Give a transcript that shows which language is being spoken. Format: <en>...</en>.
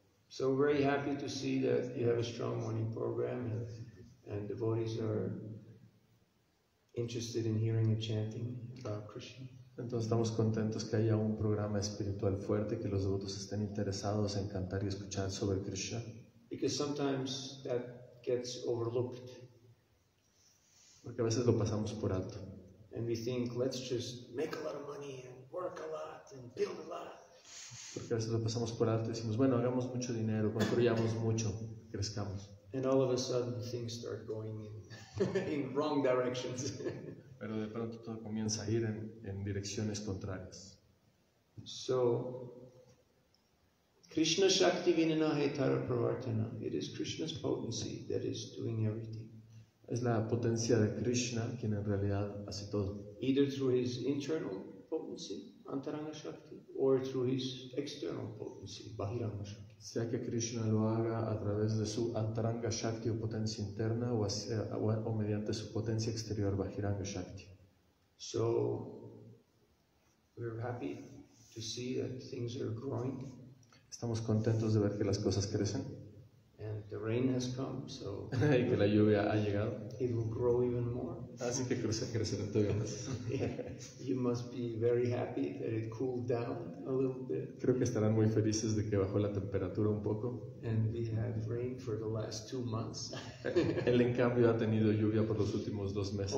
<en>So we're very happy to see that you have a strong morning program and devotees are interested in hearing and chanting about Krishna.</en> <es>Entonces estamos contentos que haya un programa espiritual fuerte, que los devotos estén interesados en cantar y escuchar sobre Krishna.</es> <en>Because sometimes that gets overlooked.</en> <es>Porque a veces lo pasamos por alto.</es> <en>And we think, let's just make a lot of money and work a lot and build a lot.</en> <es>Porque a veces lo pasamos por alto y decimos, bueno, hagamos mucho dinero, construyamos mucho, crezcamos.</es> <en>And all of a sudden things start going in wrong directions.</en> <es>Pero de pronto todo comienza a ir en direcciones contrarias.</es> <sa>So, Krishna Shakti Vinana Hetara Pravartana.</sa> <en>It is Krishna's potency that is doing everything.</en> <es>Es la potencia de Krishna quien en realidad hace todo.</es> <en>Either through his internal potency, antaranga shakti, or through his external potency, bahiranga shakti.</en> <es>Sea que Krishna lo haga a través de su antaranga shakti o potencia interna, o mediante su potencia exterior, bahiranga shakti.</es> <en>So, we're happy to see that things are growing.</en> <es>Estamos contentos de ver que las cosas crecen.</es> <en>And the rain has come, so</en> <es>y que la lluvia ha llegado.</es> <en>It will grow even more.</en> <es>Así que crecerá todavía más.</es> <en>You must be very happy that it cooled down a little bit.</en> <es>Creo que estarán muy felices de que bajó la temperatura un poco.</es> <en>And we have rain for the last 2 months.</en> <es>Él en cambio ha tenido lluvia por los últimos 2 meses.</es>